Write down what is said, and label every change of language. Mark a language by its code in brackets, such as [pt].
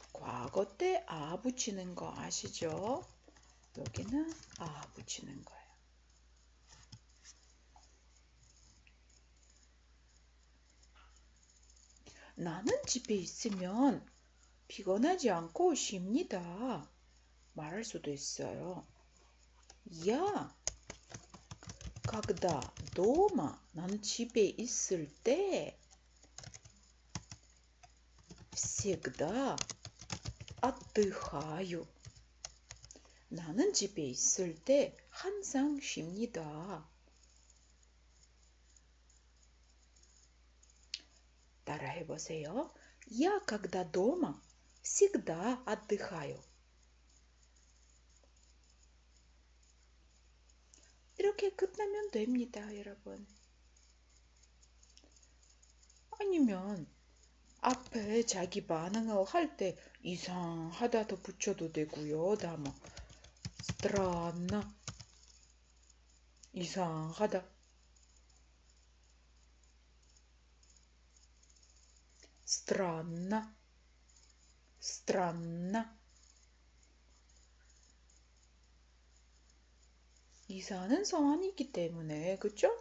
[ko] 과거 때아 붙이는 거 아시죠? 여기는 아 붙이는 거예요. 나는 집에 있으면 피곤하지 않고 쉽니다. 말할 수도 있어요. [ru] Я, когда дома, [ko] 난 집에 있을 때, [ru] всегда отдыхаю. [ko] 나는 집에 있을 때 항상 쉽니다. 따라해 보세요. [ru] Я, когда дома, всегда отдыхаю. [ko] 이렇게 끝나면 됩니다, 여러분. 아니면 앞에 자기 반응을 할때 이상하다도 붙여도 되고요. 다뭐 스트라나 이상하다 스트라나 스트라나 이사하는 성함이기 때문에, 그쵸?